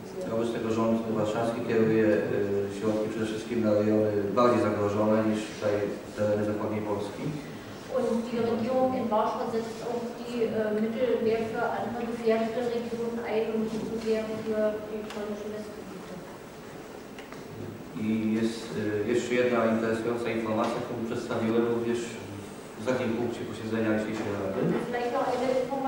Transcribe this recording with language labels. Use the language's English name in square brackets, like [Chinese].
[Polish] Wobec tego rząd warszawski kieruje środki przede wszystkim na rejony bardziej zagrożone niż tutaj tereny zachodniej Polski. [German] Und die Regierung in Warschau setzt auch die Mittel mehr für andere gefährdete Regionen ein und nicht so sehr für die polnische Westen. [Polish] I jest jeszcze jedna interesująca informacja, którą przedstawiłem również w zadnim punkcie posiedzenia dzisiejszej Rady.